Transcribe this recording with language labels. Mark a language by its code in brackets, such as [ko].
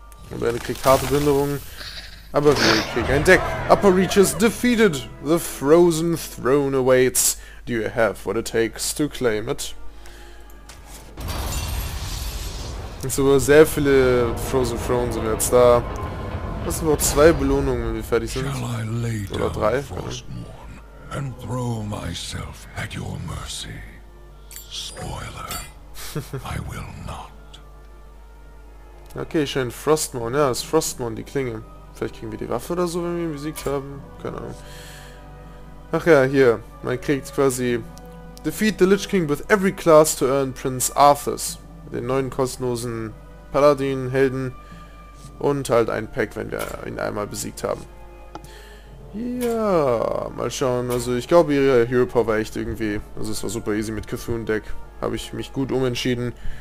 [de] Und er kriegt harte Behinderung. Aber wir kriegen ein Deck. [en] Upper Reach is defeated. The Frozen Throne awaits. Do you have what it takes to claim it? [de] Und so sehr viele Frozen Thrones sind jetzt da. Das sind noch zwei Belohnungen, wenn wir fertig sind. Oder drei. [en] And throw myself at your mercy. Spoiler. I will not. [de] Okay, schön. Frostmourne. Ja, das ist Frostmourne, die Klinge. Vielleicht kriegen wir die Waffe oder so, wenn wir ihn besiegt haben. Keine Ahnung. Ach ja, hier. Man kriegt quasi... [en] Defeat the Lich King with every class to earn Prince Arthas. [de] Den neuen kostenlosen Paladin-Helden. Und halt ein Pack, wenn wir ihn einmal besiegt haben. Ja, mal schauen. Also ich glaube, ihre Hero Power war echt irgendwie... Also es war super easy mit Cthulhu Deck. Habe ich mich gut umentschieden.